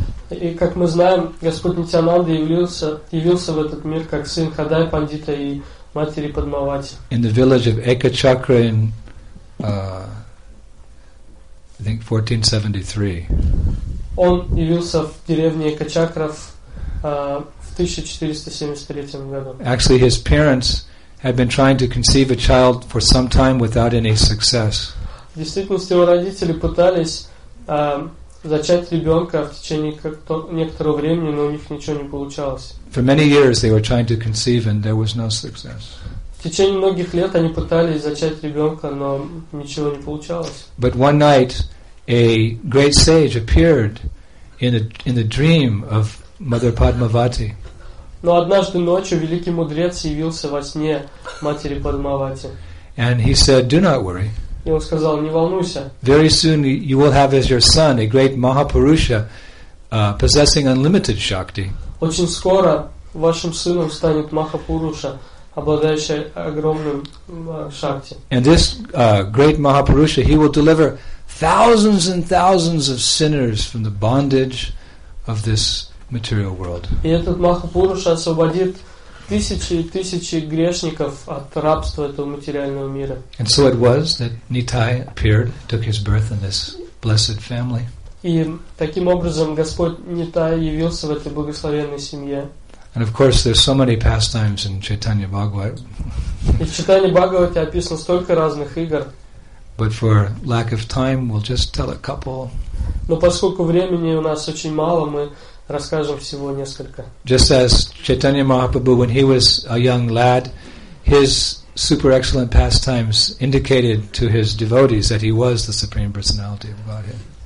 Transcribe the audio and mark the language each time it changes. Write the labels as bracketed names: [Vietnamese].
[Russian] И как мы знаем, Господь Нитянанда явился в этот мир как сын Хадай Пандита и матери Падмавати. [English] In the village of Ekachakra in I think 1473. [Russian] Он явился в деревне Экачакра в 1473 году. [English] Actually, his parents had been trying to conceive a child for some time without any success. [Russian] В действительности его родители пытались зачать ребенка в течение некоторого времени, но у них ничего не получалось. [English] For many years they were trying to conceive and there was no success. [Russian] В течение многих лет они пытались зачать ребенка, но ничего не получалось. [English] But one night a great sage appeared in the dream of Mother Padmavati. [Russian] Но однажды ночью великий мудрец явился во сне матери Падмавати. [English] And he said, "Do not worry." [Russian] И он сказал, не волнуйся. [English] Very soon you will have as your son a great Mahapurusha, possessing unlimited shakti. [Russian] Очень скоро вашим сыном станет Махапуруша, обладающий огромным шакти. [English] And this great Mahapurusha, he will deliver thousands and thousands of sinners from the bondage of this material world. [Russian] И этот Махапуруша освободит тысячи и тысячи грешников от рабства этого материального мира. [English] And so it was that Nitai appeared, took his birth in this blessed family. [Russian] И таким образом Господь Нитай явился в этой благословенной семье. [English] And of course, there's so many pastimes in Chaitanya Bhagavat. [Russian] И в Чайтанье Бхагавате описано столько разных игр. [English] But for lack of time, we'll just tell a couple. [Russian] Но поскольку времени у нас очень мало, мы расскажем всего несколько. [English] Just as Chaitanya Mahaprabhu, when he was a young lad, his super excellent pastimes indicated to his devotees that he was the Supreme Personality of Godhead.